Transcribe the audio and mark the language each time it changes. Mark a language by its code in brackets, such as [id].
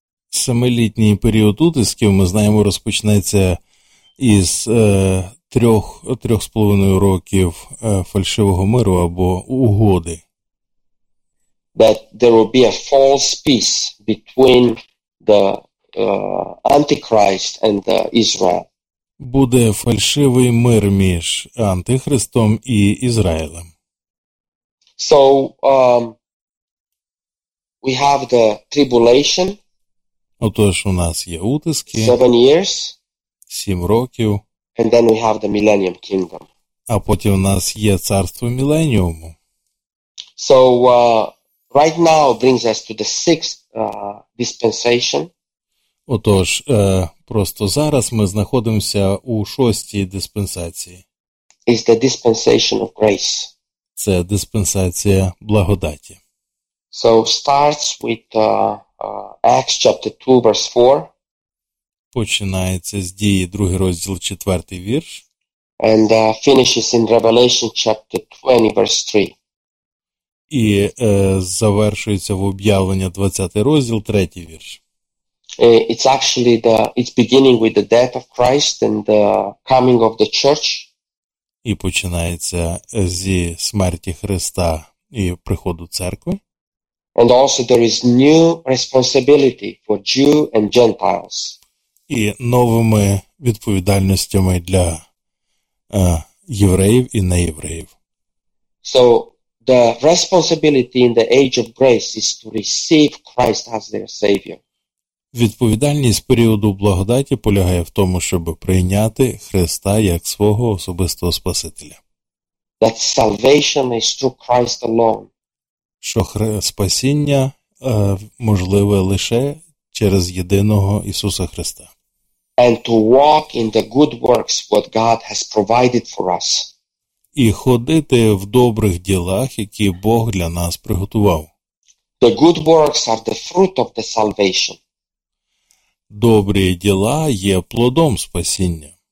[uk] Семилітній період утисків, ми знаємо, розпочнеться із 3-3,5 років фальшивого миру або угоди. [en] That there will be a false peace between the Antichrist and Israel. [uk] Буде фальшивий мир між Антихристом і Ізраїлем. [en] So we have the tribulation. [uk] Отож, у нас є утиски. [en] 7 years. [uk] 7 років. [en] And then we have the millennium kingdom. [uk] А потім у нас є царство міленіуму. [en] So right now brings us to the sixth dispensation. [uk] Отож, просто зараз ми знаходимося у шостій диспенсації. [en] It's the dispensation of grace. [uk] Це диспенсація благодаті. [en] So starts with Acts chapter 2 verse 4. [uk] Починається з Дії, 2 розділ, 4 вірш. [en] And finishes in Revelation chapter 20 verse 3. [uk] І завершується в Об'явлення 20 розділ, 3 вірш. [en] It's actually it's beginning with the death of Christ and the coming of the church. [uk] І починається зі смерті Христа і приходу церкви. [en] And also there is new responsibility for Jew and Gentiles. [uk] І новими відповідальностями для євреїв і неєвреїв. [en] So the responsibility in the age of grace is to receive Christ as their savior. [uk] Відповідальність періоду благодаті полягає в тому, щоб прийняти Христа як свого особистого Спасителя. [en] That salvation is through Christ alone. [uk] Що спасіння можливе лише через єдиного Ісуса Христа. [en] And to walk in the good works what God has provided for us. [uk] І ходити в добрих ділах, які Бог для нас приготував. [en] The good works are the fruit of the salvation. [uk] Добрі діла є плодом спасіння.